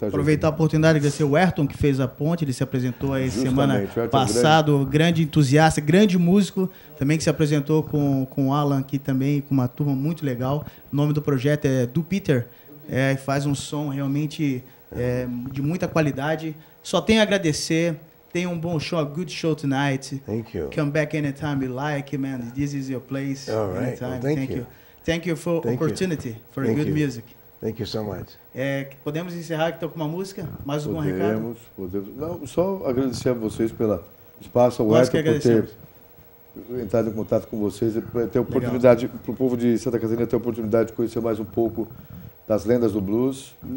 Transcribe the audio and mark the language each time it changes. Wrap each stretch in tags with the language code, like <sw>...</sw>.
<pt>Aproveitar a oportunidade de agradecer o Ayrton, que fez a ponte, ele se apresentou aí semana passada, grande entusiasta, grande músico, também que se apresentou com o Alan aqui também, com uma turma muito legal. O nome do projeto é Do Peter, faz um som realmente de muita qualidade. Só tenho a agradecer. Tenha um bom show,</pt> <en>a good show tonight. Thank you. Come back anytime you like, man. This is your place. All right. Well, thank you. Thank you for opportunity, for thank good you. Music. Thank you so much.</en> <pt>Podemos encerrar aqui com uma música? Mais algum recado? Podemos. Não, só agradecer a vocês pelo espaço, o Ayrton, por ter entrado em contato com vocês, ter oportunidade para o povo de Santa Catarina ter a oportunidade de conhecer mais um pouco das lendas do blues.</pt>